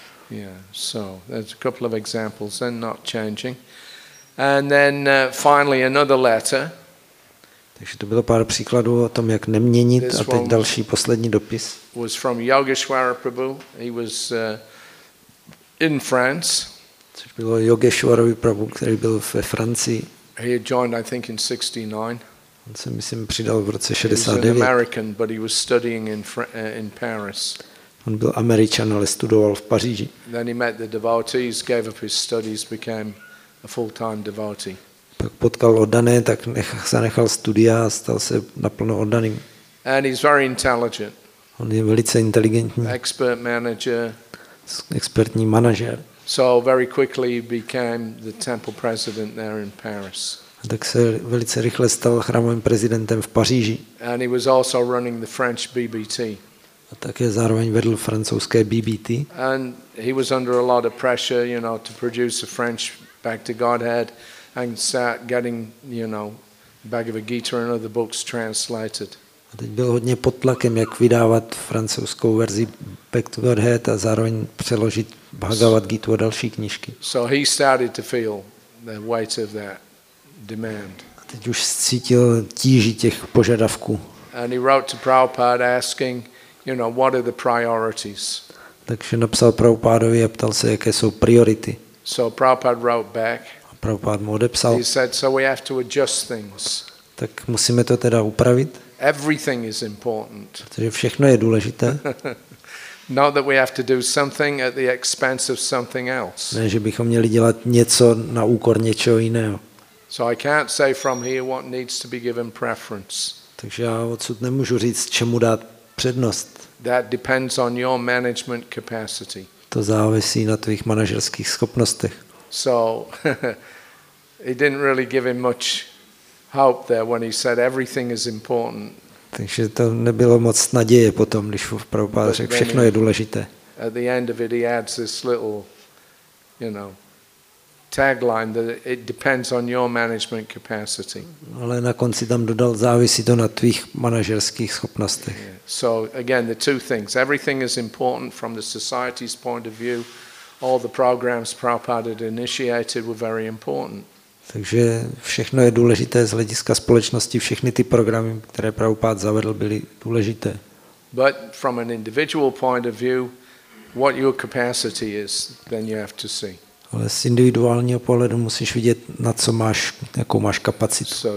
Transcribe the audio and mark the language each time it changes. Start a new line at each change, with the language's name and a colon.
English: Yeah, so there's a couple of examples and not changing. And then finally another letter.
Czech: Takže to bylo pár příkladů o tom, jak neměnit, a teď další poslední dopis.
English: Was from Yogeshwara Prabhu. He was in France.
Czech: Což bylo Yogeshwarovi Prabhu, který byl ve Francii.
English: He had joined, I think, in 69.
Czech: On se, myslím, přidal v roce 69.
English: American, but he was studying in Paris.
Czech: On byl Američan, ale studoval v Paříži.
English: Then he met the devotees, gave up his studies, became a full-time devotee.
Czech: Pak potkal oddané, tak zanechal studia a stal se naplno oddaným.
English: And he's very intelligent.
Czech: On je velice inteligentní.
English: Expert manager.
Czech: Expertní manažer.
English: So very quickly became the temple president there in Paris.
Czech: Tak se velice rychle stal chrámovým prezidentem v Paříži.
English: And he was also running the French BBT.
Czech: A také zároveň vedl francouzské BBT.
English: And he was under a lot of pressure, you know, to produce a French back to Godhead and start getting, you know, Bhagavad Gita and other books translated.
Czech: A teď byl hodně pod tlakem, jak vydávat francouzskou verzi Back to Godhead a zároveň přeložit Bhagavad Gita a další knížky.
English: So he started to feel the weight of that demand.
Czech: A teď už cítil tíži těch požadavků.
English: And he wrote to Prabhupada asking, you know, what are the priorities?
Czech: Takže napsal Prabhupádovi a ptal se, jaké jsou priority.
English: So Prabhupada wrote back.
Czech: A Prabhupád mu odepsal.
English: He said, so we have to adjust things.
Czech: Tak musíme to teda upravit.
English: Everything is important.
Czech: Protože všechno je důležité.
English: Not that we have to do something at the expense of something else.
Czech: Ne, že bychom měli dělat něco na úkor něčeho jiného.
English: So I can't say from here what needs to be given preference.
Czech: Takže já odsud nemůžu říct, čemu dát přednost.
English: That depends on your management capacity.
Czech: To závisí na tvých manažerských schopnostech.
English: So he didn't really give him much hope there when he said everything is important.
Czech: Takže to nebylo moc naděje potom, když Prabhupáda řekl, všechno je důležité.
English: At the end of it he adds this little, you know, tagline that it depends on your management capacity.
Czech: Ale na konci tam dodal, závisí to na tvých manažerských schopnostech.
English: So again the two things, everything is important from the society's point of view, all the programs Prabhupada initiated were very important.
Czech: Takže všechno je důležité z hlediska společnosti, všechny ty programy, které Prabhupada zavedl, byly důležité.
English: But from an individual point of view, what your capacity is, then you have to see.
Czech: Ale z individuálního pohledu musíš vidět, na co máš, jakou máš kapacitu.